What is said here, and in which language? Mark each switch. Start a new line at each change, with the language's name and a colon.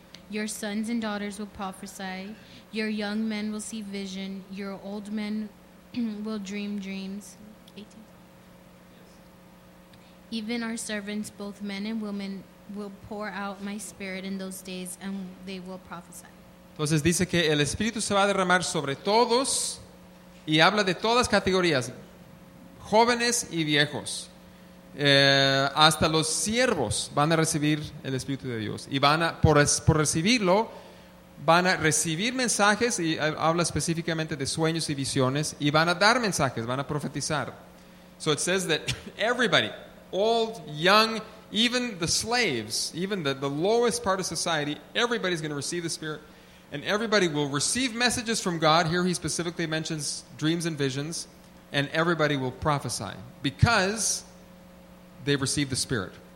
English: Your sons and daughters will prophesy. Your young men will see vision. Your old men will dream dreams. 18. Yes. Even our servants, both men and women, will pour out my spirit in those days, and they will prophesy.
Spanish: Entonces dice que el Espíritu se va a derramar sobre todos y habla de todas categorías, jóvenes y viejos. Hasta los siervos van a recibir el Espíritu de Dios y van a, por recibirlo, van a recibir mensajes, y habla específicamente de sueños y visiones, y van a dar mensajes, van a profetizar.
English: So it says that everybody, old, young, even the slaves, even the lowest part of society, everybody's going to receive the Spirit, and everybody will receive messages from God. Here he specifically mentions dreams and visions, and everybody will prophesy because they've received the Spirit.